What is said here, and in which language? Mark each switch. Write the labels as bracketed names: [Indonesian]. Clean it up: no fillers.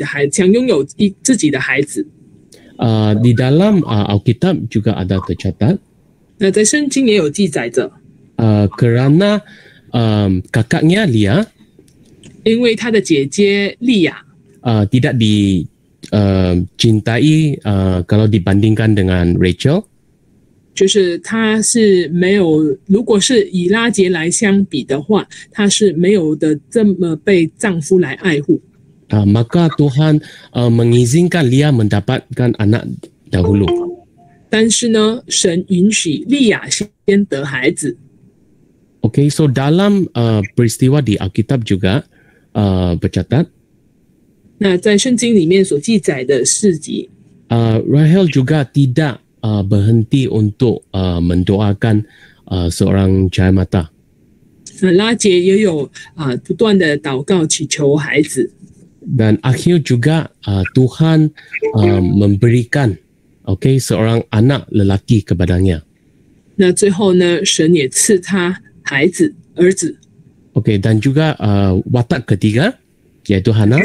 [Chinese] 那在这个世纪里面呢，我们也知道他是想得到自己的孩子，想拥有自己的孩子。 [Malay] Di dalam Alkitab juga ada tercatat. [Chinese] 那在圣经也有记载着。 [Malay] Kerana kakaknya Lia. [Chinese] 因为他的姐姐莉亚。 [Malay] Tidak dicintai kalau dibandingkan dengan Rachel. [Chinese] 就是他是没有，如果是以拉结来相比的话，他是没有的这么被丈夫来爱护。 [Malay] Maka Tuhan mengizinkan Lia mendapatkan anak dahulu. [Chinese] 但是呢，神允许利亚先得孩子。 [Malay] Okay, so dalam peristiwa di Alkitab juga bercatat. [Chinese] 那在圣经里面所记载的事迹。 [Malay] Rahel juga tidak berhenti untuk mendoakan seorang cahaya mata. [Chinese] 拉结也有不断的祷告祈求孩子。 [Malay] Dan akhir juga Tuhan memberikan okay, seorang anak lelaki kepadanya. [Chinese] 那最后呢，神也赐他孩子儿子。 [Malay] Okay, dan juga watak ketiga yaitu Hana.